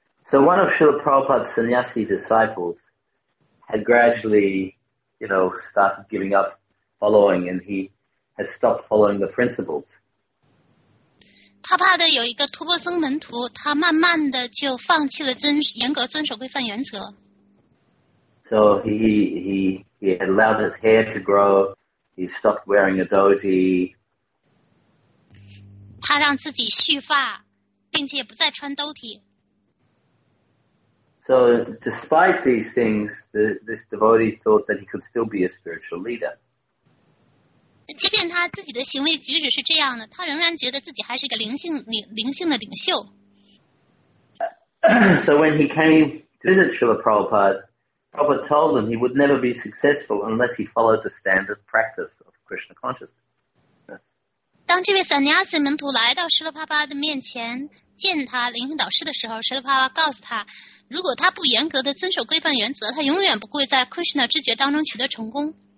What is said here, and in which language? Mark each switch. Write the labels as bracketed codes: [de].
[en] So one of Srila Prabhupada's sannyasi disciples had gradually, you know, started giving up following, and he had stopped following the principles. [zh] 他怕的有一个托钵僧门徒，他慢慢的就放弃了严格遵守规范原则。 [en] So he had allowed his hair to grow. He stopped wearing a dhoti. [zh] 他让自己蓄发，并且不再穿兜提。 [en] So despite these things, this devotee thought that he could still be a spiritual leader. [zh] 即便他自己的行为举止是这样的，他仍然觉得自己还是一个灵性的领袖。 [en] So when he came to visit Srila Prabhupada, Prabhupada told him he would never be successful unless he followed the standard practice of Krishna consciousness. [zh] 当这位sannyasi门徒来到Srila Prabhupada的面前，见他灵性导师的时候，Srila Prabhupada告诉他，如果他不严格的遵守规范原则，他永远不会在 Krishna 知觉当中取得成功。